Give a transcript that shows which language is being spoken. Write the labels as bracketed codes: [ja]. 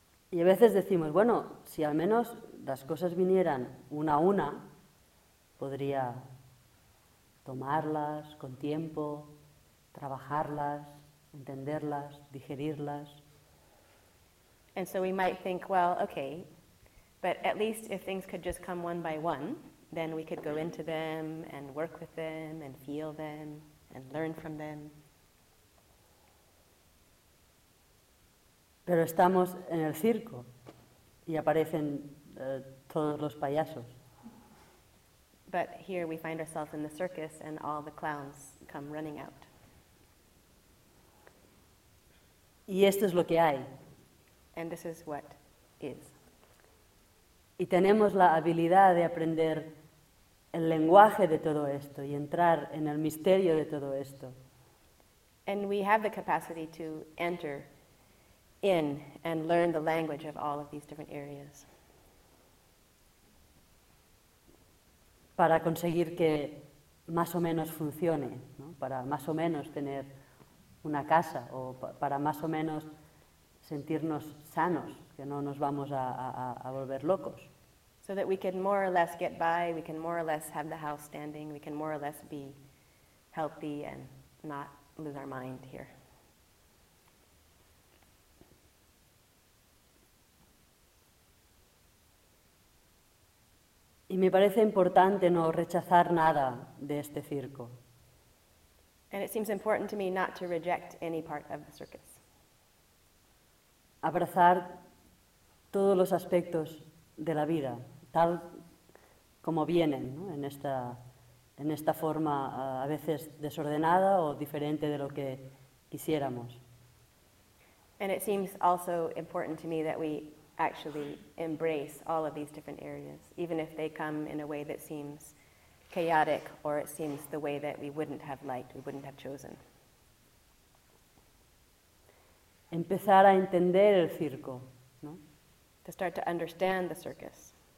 [es] Y a veces decimos, bueno, si al menos las cosas vinieran una a una, podría tomarlas con tiempo, trabajarlas, entenderlas, digerirlas. [en] And so we might think, well, okay, but at least if things could just come one by one, then we could go into them and work with them and feel them and learn from them. [es] Pero estamos en el circo y aparecen todos los payasos. [en] But here we find ourselves in the circus and all the clowns come running out. [es] Y esto es lo que hay. [en] And this is what is. [es] Y tenemos la habilidad de aprender el lenguaje de todo esto y entrar en el misterio de todo esto. [en] And we have the capacity to enter in and learn the language of all of these different areas. [es] Para conseguir que más o menos funcione, ¿no? Para más o menos tener una casa o para más o menos sentirnos sanos, que no nos vamos a volver locos. [en] So that we can more or less get by, we can more or less have the house standing, we can more or less be healthy and not lose our mind here. [es] Y me parece importante no rechazar nada de este circo. [en] And it seems important to me not to reject any part of the circus. [es] Abrazar todos los aspectos de la vida, tal como vienen, ¿no? en esta forma a veces desordenada o diferente de lo que quisiéramos. [en] And it seems also important to me that we actually embrace all of these different areas, even if they come in a way that seems chaotic or it seems the way that we wouldn't have liked, we wouldn't have chosen. [es] Empezar a entender el circo, ¿no? [en] To start to understand the circus.